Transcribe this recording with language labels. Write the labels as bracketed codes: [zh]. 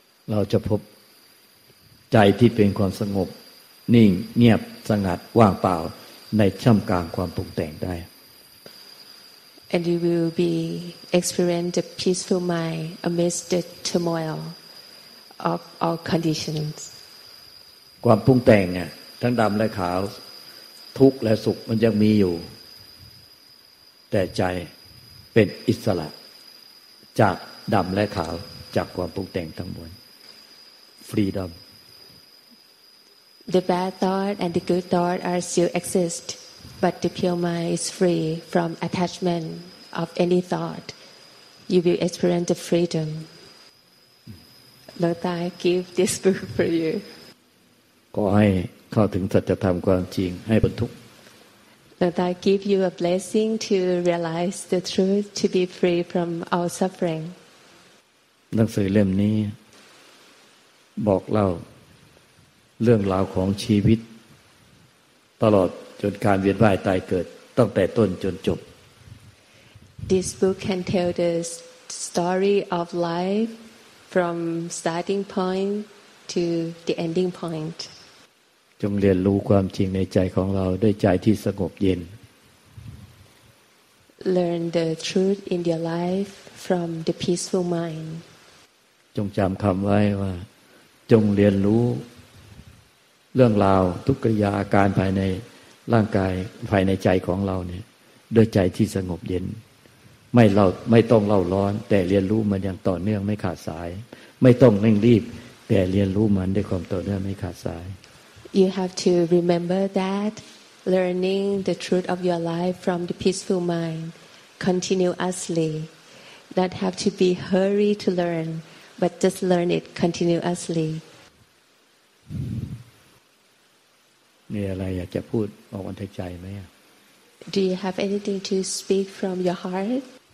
[th] เราจะพบใจที่เป็นความสงบนิ่งเงียบสงัดว่างเปล่าในช่ำกลางความปรุงแต่งได้ [en] And you will be experience a peaceful mind amidst the turmoil of all conditions. [th] ความปรุงแต่งเนี่ยทั้งดำและขาวทุกข์และสุขมันยังมีอยู่แต่ใจเป็นอิสระจากดำและขาวจากความปรุงแต่งทั้งมวล [en] Freedom. The bad thought and the good thought are still exist. But the pure mind is free from attachment of any thought. You will experience the freedom. Lord, I give this book for you. [th] ขอให้เข้าถึงสัจธรรมความจริงให้พ้นทุกข์ [en] Lord, I give you a blessing to realize the truth to be free from all suffering. [th] หนังสือเล่มนี้บอกเล่าเรื่องราวของชีวิตตลอดจนการเวียนว่ายตายเกิดตั้งแต่ต้นจนจบ [en] This book can tell the story of life from starting point to the ending point [th] จงเรียนรู้ความจริงในใจของเราด้วยใจที่สงบเย็น [en] Learn the truth in your life from the peaceful mind [th] จงจำคำไว้ว่าจงเรียนรู้เรื่องราวทุกกิริยาอาการภายในร่างกายภายในใจของเราเนี่ยด้วยใจที่สงบเย็นไม่ต้องเล่าร้อนแต่เรียนรู้มันอย่างต่อเนื่องไม่ขาดสายไม่ต้องเร่งรีบแต่เรียนรู้มันด้วยความต่อเนื่องไม่ขาดสาย [en] You have to remember that learning the truth of your life from the peaceful mind continuously not have to be hurry to learn but just learn it continuously [th] มีอะไรอยากจะพูดออกวันทักใจไหม [en] Do you have anything to speak from your heart?